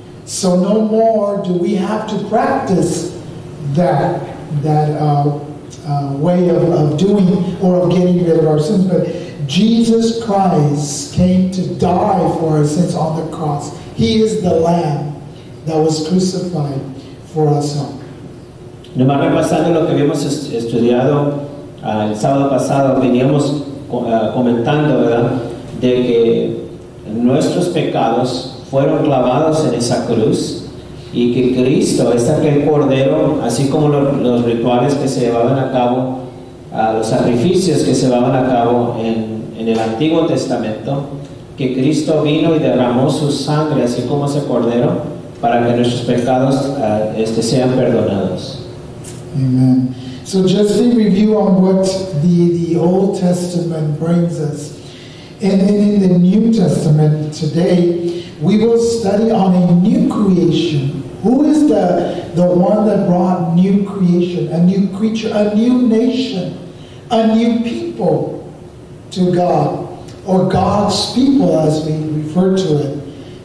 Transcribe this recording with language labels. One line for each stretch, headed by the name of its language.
English: So no more do we have to practice that way of doing or of getting rid of our sins. But Jesus Christ came to die for our sins on the cross. He is the Lamb that was crucified for us all.
Spanish: Nomás repasando lo que habíamos estudiado el sábado pasado, veníamos comentando, ¿verdad?, de que nuestros pecados fueron clavados en esa cruz y que Cristo es aquel cordero, así como los rituales que se llevaban a cabo, los sacrificios que se llevaban a cabo en el Antiguo Testamento, que Cristo vino y derramó su sangre, así como ese cordero, para que nuestros pecados sean perdonados.
English: Amen. So just a review on what the Old Testament brings us. And in the New Testament today, we will study on a new creation. Who is the one that brought new creation, a new creature, a new nation, a new people to God, or God's people as we refer to it?